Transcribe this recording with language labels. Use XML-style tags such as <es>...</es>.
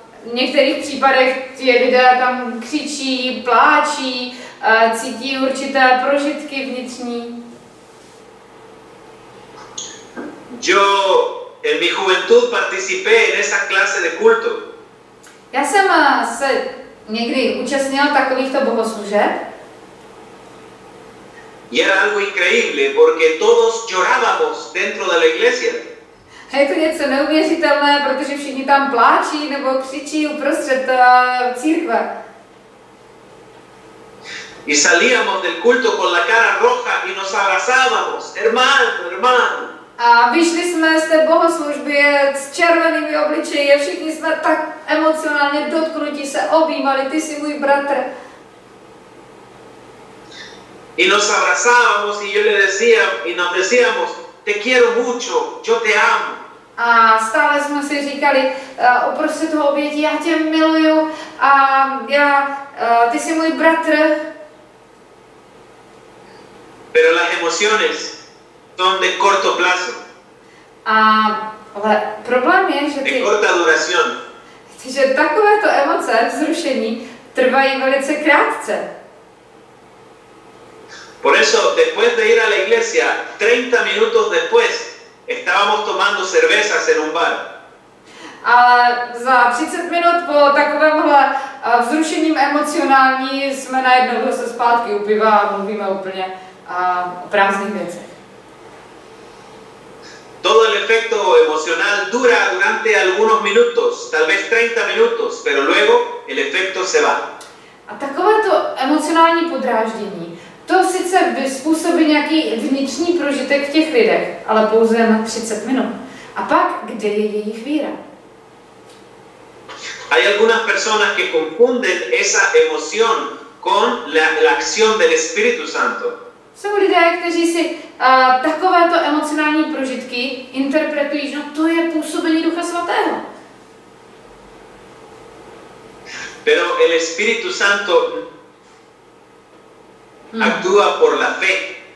<cs>V některých případech ti lidé tam křičí, pláčí, cítí určité prožitky vnitřní.</cs> <es>Yo en mi juventud participé en esa clase de culto.</es> <cs>Já jsem se někdy účastnila takovýchto bohoslužeb.</cs> <es>Y era algo increíble porque todos llorábamos dentro de la iglesia.</es> <cs>A je to něco neuvěřitelné, protože všichni tam pláčí nebo křičí uprostřed církve.</cs> <es>Y salíamos del culto con la cara roja y nos abrazábamos, hermano, hermano.</es> <cs>A vyšli jsme z té bohoslužby s červenými obličeji a všichni jsme tak emocionálně dotknutí se objímali, ty jsi můj bratr.</cs> <es>Y nos abrazábamos y yo le decía y nos decíamos te quiero mucho, yo te amo.</es> <cs>A stále jsme si říkali, oprostřed toho obětí, já tě miluju a já, ty jsi můj bratr.</cs> <es>Pero las emociones son de corto plazo.</es> <cs>Ale problém je, že</cs> <es>de corta duración.</es> <cs>Že takovéto emoce, vzrušení, trvají velice krátce.</cs> <es>Por eso, después de ir a la iglesia, 30 minutos después, estábamos tomando cervezas en un bar.</es> <cs>Ale za 30 minut po takovémhle vzrušením emocionální jsme najednou zase zpátky u piva a mluvíme úplně o prázdných věcech.</cs> <es>Todo el efecto emocional dura durante algunos minutos, tal vez 30 minutos, pero luego el efecto se va.</es> <cs>A takovéto emocionální podráždění, to sice způsobí nějaký vnitřní prožitek v těch lidech, ale pouze na 30 minut. A pak, kde je jejich víra?</cs> <es>Hay algunas personas que confunden esa emoción con la acción del Espíritu Santo.</es> <cs>Jsou lidé, kteří si takovéto emocionální prožitky interpretují, že to je působení Ducha Svatého.</cs> <es>Pero el Espíritu Santo actúa por la fe.</es>